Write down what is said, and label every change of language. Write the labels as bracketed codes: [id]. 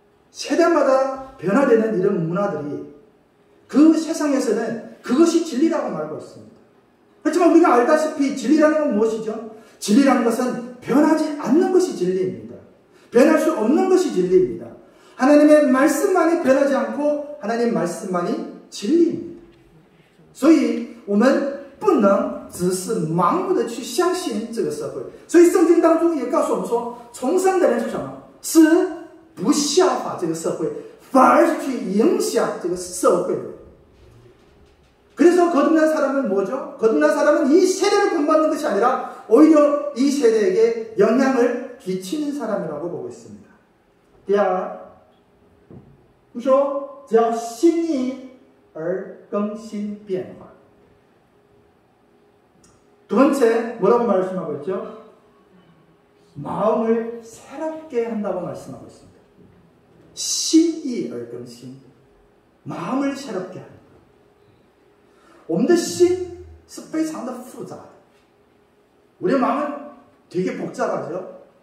[zh] 世界上所有的这些文化当中，每一个时代的一些东西是真理，但真理这个东西是不变的，叫真理，改变的不叫真理。唯有在圣经当中所神所说的这些话语才是不改变的，才是真理。 [ko] 세대마다 변화되는 이런 문화들이 그 세상에서는 그것이 진리라고 말하고 있습니다. 하지만 우리가 알다시피 진리라는 건 무엇이죠? 진리라는 것은 변하지 않는 것이 진리입니다. 변할 수 없는 것이 진리입니다. 하나님의 말씀만이 변하지 않고 하나님 말씀만이 진리입니다. [zh] 所以我们不能只是盲目的去相信这个社会. 所以圣经当中也告诉我们说, 重生的人是什么?是不效法这个社会, 反而是去影响这个社会的人。 [ko] 그래서 거듭난 사람은 뭐죠? 거듭난 사람은 이 세대를 본받는 것이 아니라 오히려 이 세대에게 영향을 끼치는 사람이라고 보고 있습니다. [zh] 第二,不说,叫心意而更新变化. [ko] 두 번째, 뭐라고 말씀하고 있죠? 마음을 새롭게 한다고 말씀하고 있습니다. [zh] 心意而更新. [ko] 마음을 새롭게 한다. [zh] 我们的心是非常的复杂. [ko] 우리 마음은 되게 복잡하죠?